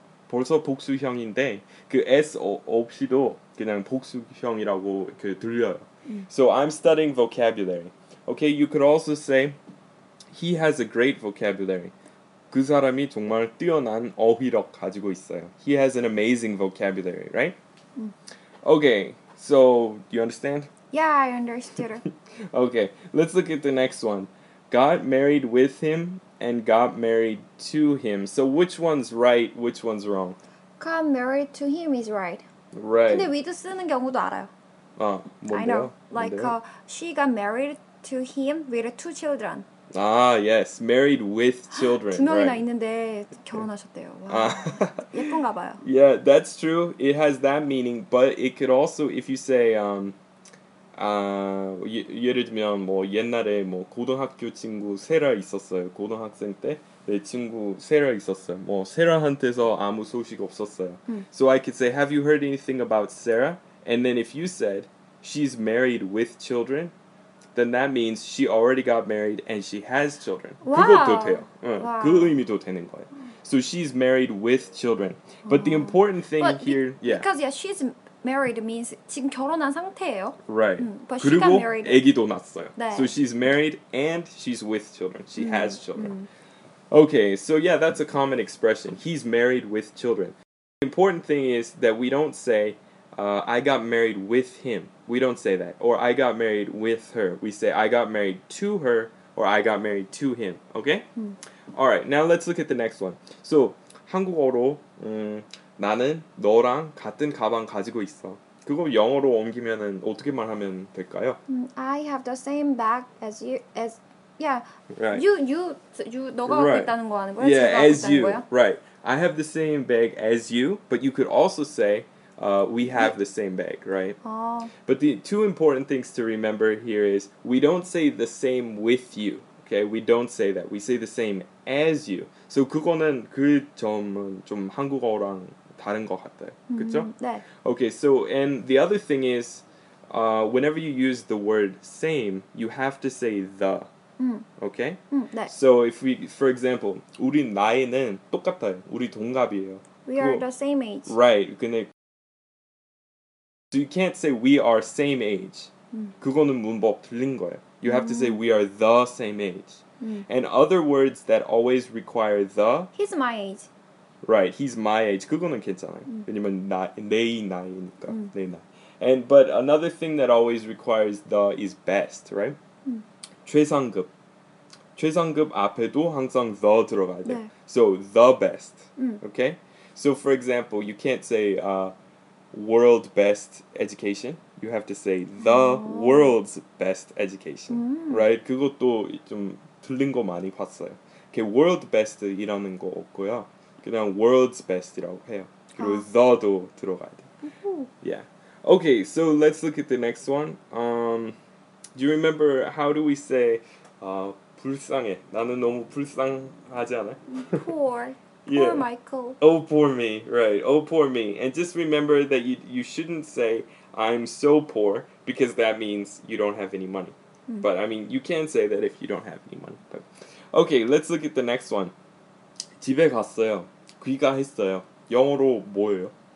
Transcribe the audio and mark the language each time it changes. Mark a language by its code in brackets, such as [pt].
[ko] 벌써 복수형인데, 그 S 없이도 그냥 복수형이라고 그 들려요. [en] So, I'm studying vocabulary. Okay, you could also say, he has a great vocabulary. [ko] 그 사람이 정말 뛰어난 어휘력 가지고 있어요. [en] He has an amazing vocabulary, right? Okay, so, do you understand? Yeah, I understood. Okay, let's look at the next one. Got married with him and got married to him. So which one's right, which one's wrong? Got married to him is right. Right. [ko] 근데 with 쓰는 경우도 알아요. 뭔데요? [en] I know. Like, she got married to him with two children. Ah, yes. Married with children. [ko] 두 명이나 있는데 결혼하셨대요. 와, 예쁜가 봐요. [en] Yeah, that's true. It has that meaning. But it could also, if you say, [ko] 예를 들면 뭐 옛날에 뭐 고등학교 친구 세라 있었어요. 고등학생 때 내 친구 세라 있었어요. 뭐 세라한테서 아무 소식 없었어요. [en] So I could say, have you heard anything about Sarah? And then if you said, she's married with children, then that means she already got married and she has children. Wow. [ko] 그것도 돼요. 응. Wow. 그 의미도 되는 거예요. [en] So she's married with children. But the important thing she's married means [ko] 지금 결혼한 상태예요. [en] Right. But [ko] 그리고 [en] she got married. [ko] 애기도 났어요. 네. [en] So she's married and she's with children. She has children. Okay, so yeah, that's a common expression. He's married with children. The important thing is that we don't say, I got married with him. We don't say that. Or I got married with her. We say, I got married to her or I got married to him. Okay? Alright, now let's look at the next one. [ko] So, 한국어로 나는 너랑 같은 가방 가지고 있어. 그거 영어로 옮기면은 어떻게 말하면 될까요? [en] I have the same bag as you. As yeah. Right. [ko] You 너가 갖고 [en] right. [ko] 있다는 거 하는 거야? [en] Yeah, [ko] 제가 [en] as you. [ko] 거야? [en] Right. I have the same bag as you, but you could also say we have the same bag, right? But the two important things to remember here is we don't say the same with you. Okay, we don't say that. We say the same as you. [ko] So 그거는 그 점은 좀 한국어랑 다른 것 같아요. 그렇죠? 네. [en] Okay, so and the other thing is whenever you use the word same, you have to say the. Okay? [ko] 네. [en] So if we, for example, [ko] 우리 나이는 똑같아요. 우리 동갑이에요. [en] We are the same age. Right. 근데 so you can't say we are same age. [ko] 그거는 문법 틀린 거예요. [en] You have to say we are the same age. And other words that always require the. He's my age. Right, he's my age. [ko] 그거는 괜찮아요. 왜냐면 내 나이니까. 내 나이. [en] And but another thing that always requires the is best, right? [ko] 최상급. 최상급 앞에도 항상 the 들어가야 돼. 네. [en] So the best. Okay? So for example, you can't say world best education. You have to say the world's best education, right? [ko] 그것도 좀 틀린 거 많이 봤어요. 그 world best이라는 거 없고요. 그냥 world's best이라고 해요. 그리고 the도 들어가야 돼. Yeah. [en] Okay, so let's look at the next one. Do you remember how do we say 불쌍해? [ko] 나는 너무 불쌍하지 않아? [en] Poor. Yeah. Poor Michael. Oh, poor me. Right. Oh, poor me. And just remember that you shouldn't say I'm so poor because that means you don't have any money. But I mean, you can say that if you don't have any money. But okay, let's look at the next one. [ko] 집에 갔어요. 귀가했어요. 영어로 뭐예요?